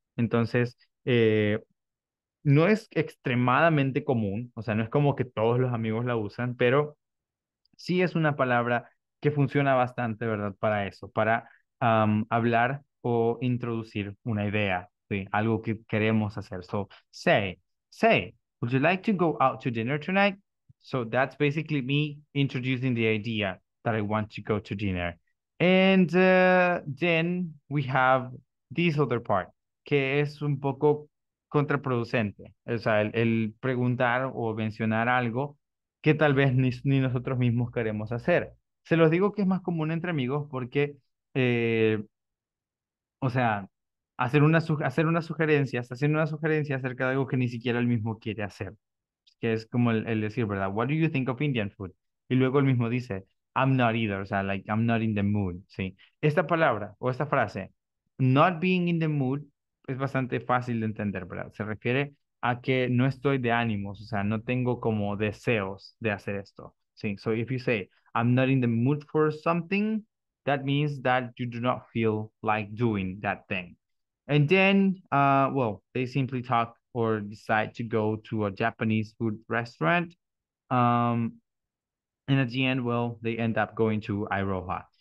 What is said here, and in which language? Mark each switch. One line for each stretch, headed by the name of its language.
Spanish: Entonces, no es extremadamente común, o sea, no es como que todos los amigos la usan, pero sí es una palabra que funciona bastante, ¿verdad? Para eso, para hablar o introducir una idea, ¿sí? Algo que queremos hacer.
English: So, say, would you like to go out to dinner tonight? So, that's basically me introducing the idea that I want to go to dinner. And then we have this other part,
Spanish: que es un poco contraproducente. O sea, el preguntar o mencionar algo que tal vez ni nosotros mismos queremos hacer. Se los digo que es más común entre amigos porque, o sea, hacer una sugerencia acerca de algo que ni siquiera el mismo quiere hacer. Que es como el decir, ¿verdad?
English: What do you think of Indian food?
Spanish: Y luego el mismo dice,
English: I'm not either,
Spanish: o sea,
English: like, I'm not in the mood,
Spanish: ¿sí? Esta palabra, o esta frase,
English: not being in the mood,
Spanish: es bastante fácil de entender, ¿verdad? Se refiere a que no estoy de ánimos, o sea, no tengo como deseos de hacer esto, ¿sí?
English: So, if you say, I'm not in the mood for something, that means that you do not feel like doing that thing. And then, they simply talk or decide to go to a Japanese food restaurant, and at the end, well, they end up going to Aroha.